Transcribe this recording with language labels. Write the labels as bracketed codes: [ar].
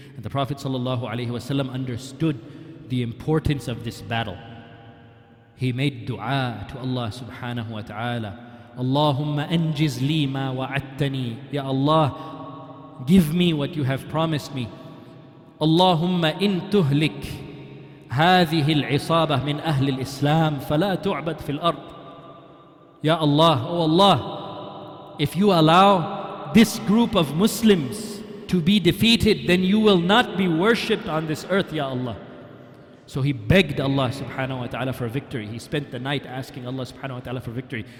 [en] And the Prophet sallallahu alaihi wasallam understood the importance of this battle. He made dua to Allah subhanahu wa ta'ala. [ar] Allahumma anjiz li ma wa'attani. [en] Ya Allah, give me what you have promised me. [ar] Allahumma in tuhlik هذه العصابة من أهل الإسلام فلا تعبد في الأرض. [en] Ya Allah, oh Allah, if you allow this group of Muslims to be defeated, then you will not be worshipped on this earth, Ya Allah. So he begged Allah subhanahu wa ta'ala for victory. He spent the night asking Allah subhanahu wa ta'ala for victory.